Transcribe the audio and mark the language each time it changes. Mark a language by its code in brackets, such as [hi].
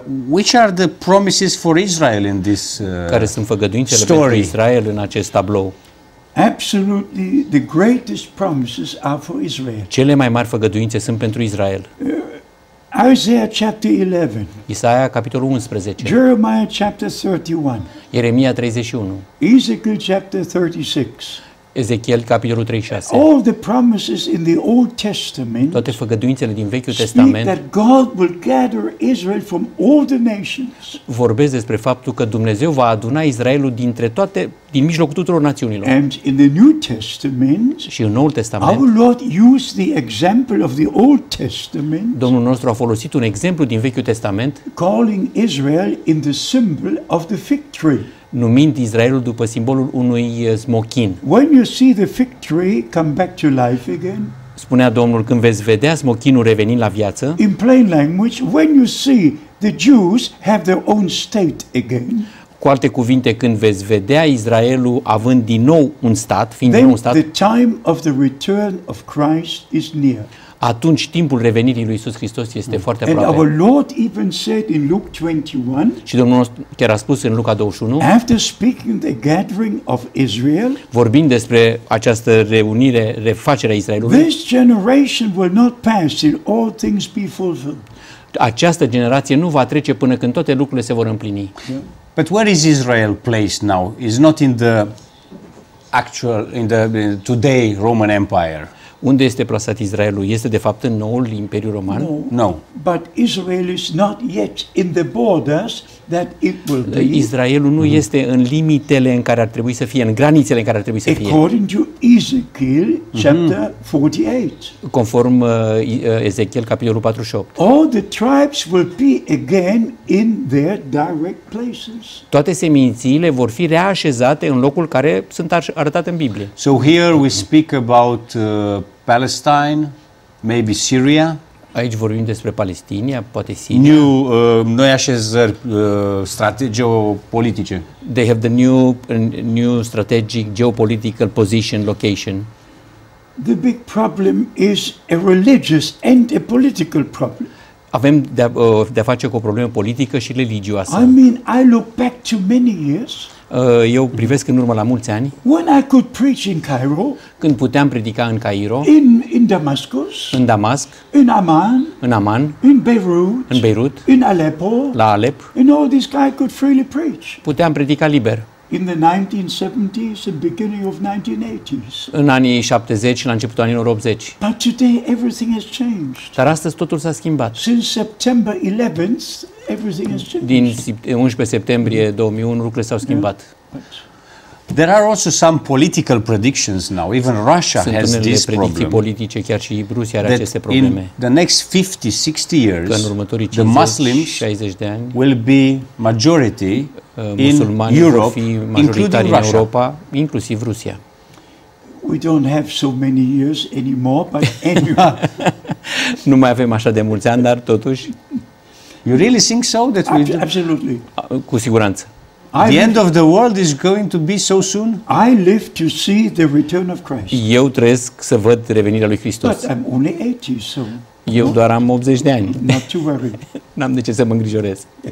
[en] Which are the promises for Israel in this [ro] care sunt făgăduințele pentru Israel în acest tablou? [en] Absolutely, the greatest promises are for Israel. [ro] Cele mai mari făgăduințe sunt pentru Israel. [en] Isaiah chapter 11. [ro] Isaia capitolul 11. [en] Jeremiah chapter 31. [ro] Ieremia 31. [en] Ezekiel chapter 36. [ro] Ezechiel capitolul 36. [en] All the promises in the Old Testament. [ro] Toate făgăduințele din Vechiul Testament. [en] That God will gather Israel from all the nations. [ro] Vorbesc despre faptul că Dumnezeu va aduna Israelul dintre toate, din mijlocul tuturor națiunilor. [en] And in the New Testament, [ro] și în Noul Testament, [en] our Lord used the example of the Old Testament. [ro] Domnul nostru a folosit un exemplu din Vechiul Testament, [en] calling Israel in the symbol of the fig tree. [ro] Numind Israelul după simbolul unui smochin. [en] When you see the fig tree come back to life again, [ro] spunea Domnul, când veți vedea smochinul revenind la viață. [en] In plain language, when you see the Jews have their own state again. [ro] Cu alte cuvinte, când veți vedea Israelul având din nou un stat, fiind din nou un stat, [en] the time of the return of Christ is near. [ro] Atunci timpul revenirii lui Iisus Hristos este foarte aproape. [en] And our Lord even said in Luke 21, [ro] și Domnul nostru chiar a spus în Luca 21, [en] after speaking the gathering of Israel, [ro] vorbind despre această reunire, refacerea Israelului, [en] this generation will not pass till all things be fulfilled. [ro] Această generație nu va trece până când toate lucrurile se vor împlini. [en] Yeah. But where is Israel placed now? It's not in the actual, in today Roman Empire. [ro] Unde este plasat Israelul? Este de fapt în noul Imperiu Roman? [en] No. But Israel is not yet in the borders that it will be. [ro] Israelul nu este în limitele în care ar trebui să fie, în granițele în care ar trebui să fie. [en] According to Ezekiel chapter 48. [ro] Conform Ezechiel capitolul 48. [en] All the tribes will be again in their direct places. [ro] Toate semințiile vor fi reașezate în locul care sunt arătate în Biblie. [en] So here we speak about Palestine, maybe Syria. [ro] Aici vorbim despre Palestina, poate Siria. New noi așezări strategico-politice. [en] They have the new strategic geopolitical position location. The big problem is a religious and a political problem. [ro] Avem de a face cu o problemă politică și religioasă. [en] I mean, I look back to many years. [ro] Eu privesc în urmă la mulți ani. [en] When I could preach in Cairo, [ro] când puteam predica în Cairo, [en] in Damascus, [ro] în Damasc, [en] in Amman, [ro] în Aman, [en] in Beirut, [ro] în Beirut, [en] in Aleppo, [ro] la Alep, [en] in all this guy could freely preach. [ro] Puteam predica liber. [en] In the 1970s and beginning of 1980s. [ro] În anii 70 și la începutul anilor 80. [en] But today everything has changed. [ro] Dar astăzi totul s-a schimbat. [en] Since September 11th, everything has changed. [ro] Din 11 septembrie 2001 lucrurile s-au schimbat. [en] There are also some political predictions now. Even Russia [ro] sunt [en] has this problem. [ro] Sunt politice, chiar și Rusia are aceste probleme. [en] In the next 50-60 years, [ro] în următorii 50, [en] the Muslims [ro] 60 de ani, [en] will be majority in Europe, [ro] vor fi majoritari în Europa, inclusiv Rusia. [en] We don't have so many years anymore, but anyway. [ro] Nu mai avem așa de mulți ani, dar totuși. [en] You really think so that we absolutely. [ro] Cu siguranță. [en] The end of the world is going to be so soon. I live to see the return of Christ. [ro] Eu trăiesc să văd revenirea lui Hristos. [en] But I'm only 80, so. [ro] Eu doar am 80 de ani. [en] Not to worry. [ro] N-am de ce să mă îngrijorez.